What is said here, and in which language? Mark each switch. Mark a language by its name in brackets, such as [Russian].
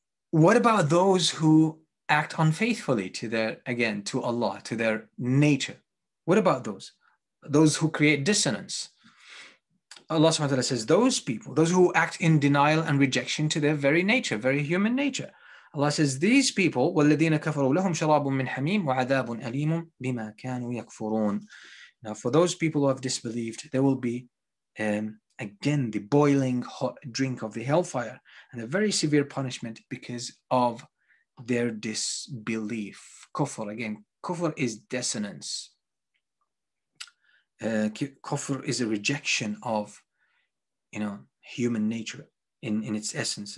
[English] What about those who act unfaithfully to Allah, to their nature? What about those who create dissonance? Allah subhanahu wa ta'ala says those people, those who act in denial and rejection to their very nature, very human nature. Allah says these people, [Arabic] وَالَّذِينَ كَفَرُوا لَهُمْ شَرَابٌ مِّنْ حَمِيمٌ وَعَذَابٌ أَلِيمٌ بِمَا كَانُوا يَكْفُرُونَ. [English] Now for those people who have disbelieved, there will be again the boiling hot drink of the hellfire and a very severe punishment because of their disbelief. Kufr, again, kufr is dissonance. Kufr is a rejection of, you know, human nature in its essence.